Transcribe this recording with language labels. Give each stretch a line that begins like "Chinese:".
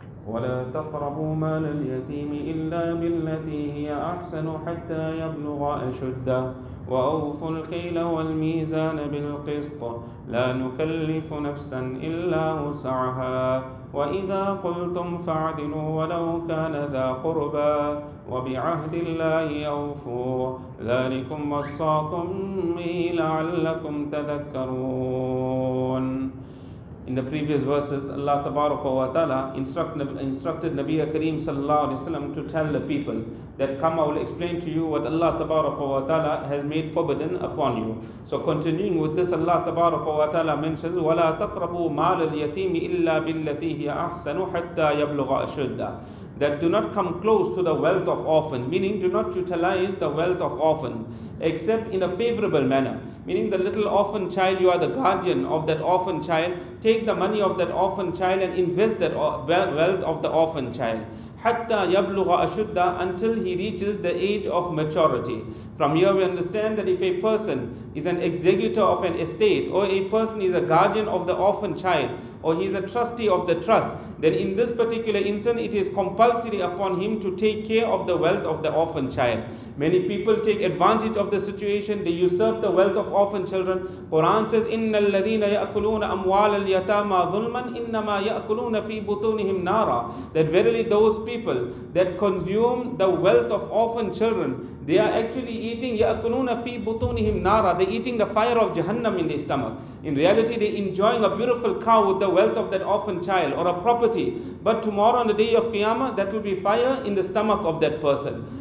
Arabic: ولا تقربوا مال اليتيم إلا بالتي هي أحسن حتى يبلغ أشده، وأوفوا الكيل والميزان بالقسط، لا نكلف نفسا إلا وسعها، وإذا قلتم فاعدلوا ولو كان ذا قربى، وبعهد الله أوفوا، ذلكم وصاكم به لعلكم تذكرون.
English: In the previous verses, Allah tabaraka wa ta'ala instructed Nabi Kareem sallallahu alayhi wa sallam to tell the people that, come, I will explain to you what Allah tabaraka wa ta'ala has made forbidden upon you. So continuing with this, Allah tabaraka wa ta'ala mentions,
Arabic: وَلَا تَقْرَبُوا مَالَ الْيَتِيمِ إِلَّا بِالَّتِي هِيَ أَحْسَنُ حَتَّى يَبْلُغَ أَشُدَّ.
English: That do not come close to the wealth of orphans, meaning do not utilize the wealth of orphans except in a favorable manner, meaning the little orphan child, you are the guardian of that orphan child, take the money of that orphan child and invest that wealth of the orphan child.
Arabic: Hatta yabluga ashuddah,
English: until he reaches the age of maturity. From here we understand that if a person is an executor of an estate, or a person is a guardian of the orphan child, or he is a trustee of the trust, then in this particular instance it is compulsory upon him to take care of the wealth of the orphan child. Many people take advantage of the situation, they usurp the wealth of orphan children. Quran says,
Arabic: إِنَّ الَّذِينَ يَأْكُلُونَ أَمْوَالَ الْيَتَامَ ظُلْمًا إِنَّمَا يَأْكُلُونَ فِي بُطُونِهِمْ نَارًا.
English: That verily those people that consume the wealth of orphan children, they are actually eating,
Arabic: يَأْكُلُونَ فِي بُطُونِهِمْ نَارًا.
English: They're eating the fire of Jahannam in their stomach. In reality, they're enjoying a beautiful cow with the wealth of that orphan child, or a property. But tomorrow, on the day of Qiyamah, that will be fire in the stomach of that person.